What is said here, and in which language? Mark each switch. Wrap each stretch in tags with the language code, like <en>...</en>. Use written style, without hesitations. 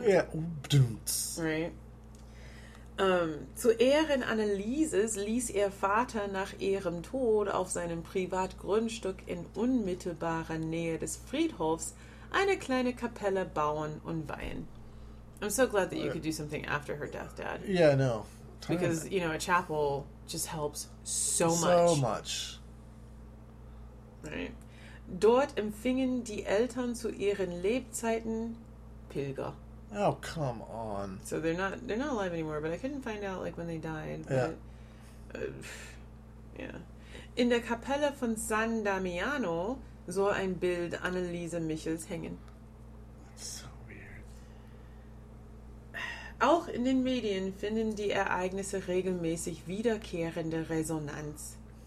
<de>Ja,</de> <en>yeah. Right.</en> <de>Zu Ehren Annelieses ließ ihr Vater nach ihrem Tod auf seinem Privatgrundstück in unmittelbarer Nähe des Friedhofs eine kleine Kapelle bauen und weihen.</de> <en>I'm so glad that you could do something after her death, Dad. Yeah, I know. Because, you know, a chapel just helps so much. So much. Right.</en> <de>Dort empfingen die Eltern zu ihren Lebzeiten Pilger.</de> <en>Oh, come on. So they're not alive anymore, but I couldn't find out, like, when they died. Yeah. But, yeah.</en> <de>In der Kapelle von San Damiano soll ein Bild Anneliese Michels hängen. Auch in den Medien finden die Ereignisse regelmäßig wiederkehrende Resonanz.</de>